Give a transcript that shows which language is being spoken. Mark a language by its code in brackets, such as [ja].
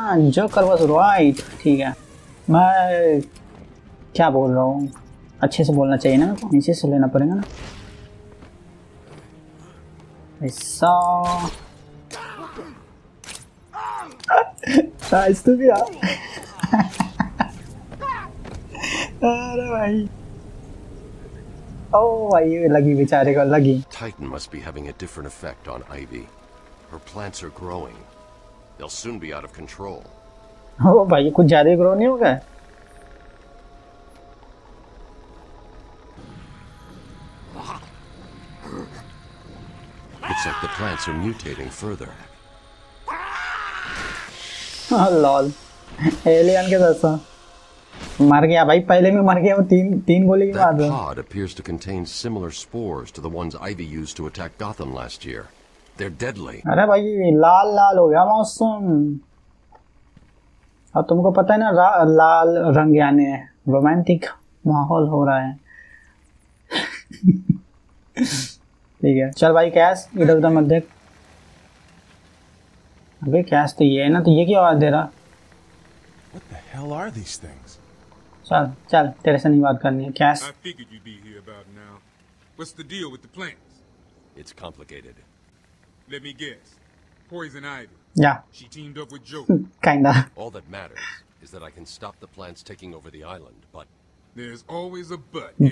[en] Joker was right, [hi] ठीक है मैं क्या बोल रहा हूँ, अच्छे से बोलना चाहिए ना, नीचे से लेना पड़ेगा ना, ऐसा तो भी अरे भाई ओ भाई लगी बेचारे को लगी। [en] Titan must be having a different effect on Ivy. Her plants are growing. They'll soon be out of control. [hi] ओ भाई कुछ ज्यादा ही ग्रो नहीं हो गए? [en] It's like the plants are mutating further. Oh lol. [hi] Alien के जैसा। मर गया भाई, पहले में मर गया वो, तीन तीन गोली के बाद। [en] That pod appears to contain similar spores to the ones Ivy used to attack Gotham last year. They're deadly. [hi] अरे भाई लाल लाल हो गया मौसम, अब तुमको पता है ना लाल रंग आने है, रोमांटिक माहौल हो रहा है ठीक है चल भाई कैश इधर उधर मत देख। अबे कैश तो ये है ना, तो ये क्यों आवाज दे रहा, [en] What the hell are these things? [hi] चल चल तेरे से नहीं बात करनी है cash. [en] I figured you'd be here about now. What's the deal with the plants? It's complicated. Let me guess. Poison Ivy. Yeah. She teamed up with Joker. Kinda. All that matters is that I can stop the plants taking over the island, but there's always a but.